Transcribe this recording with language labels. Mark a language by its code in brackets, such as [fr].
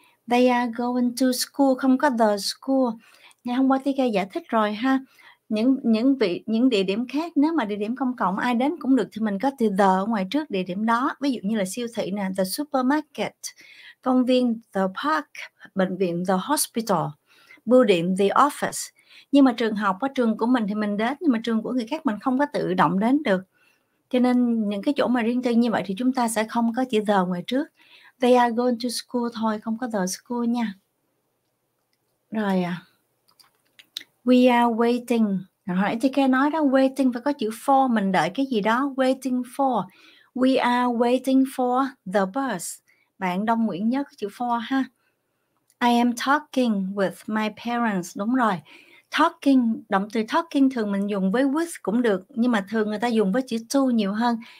[en] They are going to school, [vi] không có [en] the school. [vi] Ngày hôm qua TK giải thích rồi ha. Những địa điểm khác, nếu mà địa điểm công cộng ai đến cũng được thì mình có từ the ở ngoài trước địa điểm đó. Ví dụ như là siêu thị nè, the supermarket, công viên, the park, bệnh viện, the hospital, bưu điện, the office. Nhưng mà trường học, ở trường của mình thì mình đến, nhưng mà trường của người khác mình không có tự động đến được. Cho nên những cái chỗ mà riêng tư như vậy thì chúng ta sẽ không có chữ the ngoài trước. [en] They are going to school [vi] thôi, không có the school nha. Rồi à, [en] we are waiting. [vi] Hồi nãy TK nói đó, waiting phải có chữ for, mình đợi cái gì đó. Waiting for. [en] We are waiting for the bus. [vi] Bạn Đông Nguyễn nhớ cái chữ for ha. [en] I am talking with my parents. [vi] Đúng rồi. Talking, động từ talking thường mình dùng với with cũng được, nhưng mà thường người ta dùng với chữ to nhiều hơn.